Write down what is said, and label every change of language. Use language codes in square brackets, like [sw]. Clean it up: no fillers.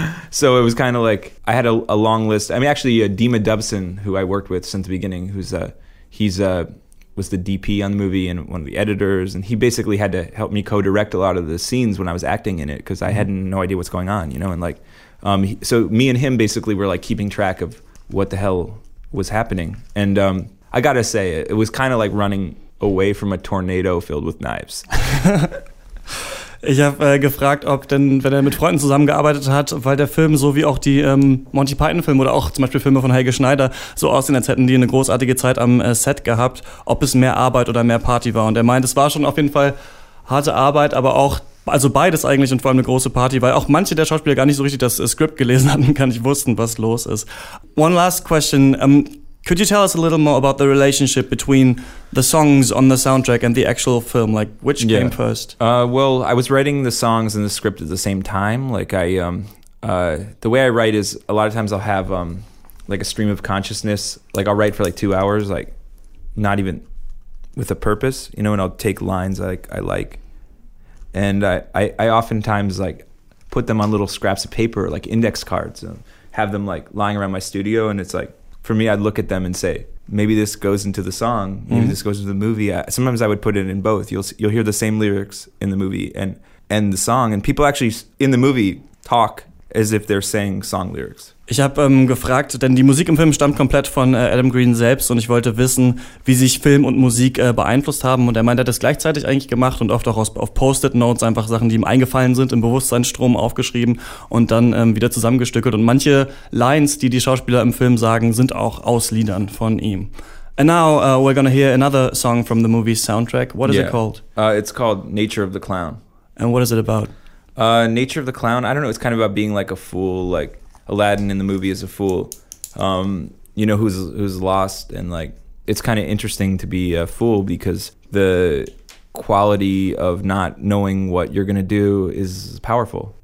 [en] So it was kind of like I had a long list. I mean, actually, Dima Dubson, who I worked with since the beginning, was the DP on the movie and one of the editors, and he basically had to help me co-direct a lot of the scenes when I was acting in it because I had no idea what's going on, you know. And like, so me and him basically were like keeping track of what the hell was happening. And I gotta say, it was kind of like running away from a tornado filled with knives. [de] Ich habe gefragt, ob denn, wenn er mit Freunden zusammengearbeitet hat, weil der Film so wie auch die Monty Python-Filme oder auch zum Beispiel Filme von Helge Schneider so aussehen, als hätten die eine großartige Zeit am Set gehabt, ob es mehr Arbeit oder mehr Party war. Und er meint, es war schon auf jeden Fall harte Arbeit, aber auch, also beides eigentlich und vor allem eine große Party, weil auch manche der Schauspieler gar nicht so richtig das Skript gelesen hatten, gar nicht wussten, was los ist. [en] One last question. Could you tell us a little more about the relationship between the songs on the soundtrack and the actual film? Like, which came first? Well, I was writing the songs and the script at the same time. Like, I the way I write is a lot of times I'll have like a stream of consciousness. Like, I'll write for like 2 hours, like not even with a purpose, you know. And I'll take lines like I like, and I oftentimes like put them on little scraps of paper, like index cards, and have them like lying around my studio, and it's like. For me, I'd look at them and say, maybe this goes into the song, maybe this goes into the movie. Sometimes I would put it in both. You'll hear the same lyrics in the movie and the song. And people actually, in the movie, talk as if they're saying song lyrics. [de] Ich habe gefragt, denn die Musik im Film stammt komplett von Adam Green selbst und ich wollte wissen, wie sich Film und Musik beeinflusst haben. Und er meinte, er hat das gleichzeitig eigentlich gemacht und oft auch auf Post-it-Notes einfach Sachen, die ihm eingefallen sind, im Bewusstseinsstrom aufgeschrieben und dann wieder zusammengestückelt. Und manche Lines, die die Schauspieler im Film sagen, sind auch aus Liedern von ihm. [en] And now we're gonna hear another song from the movie's soundtrack. What is it called? It's called Nature of the Clown. And what is it about? Nature of the Clown, I don't know, it's kind of about being like a fool, like Aladdin in the movie is a fool, you know, who's lost, and like it's kind of interesting to be a fool because the quality of not knowing what you're gonna do is powerful.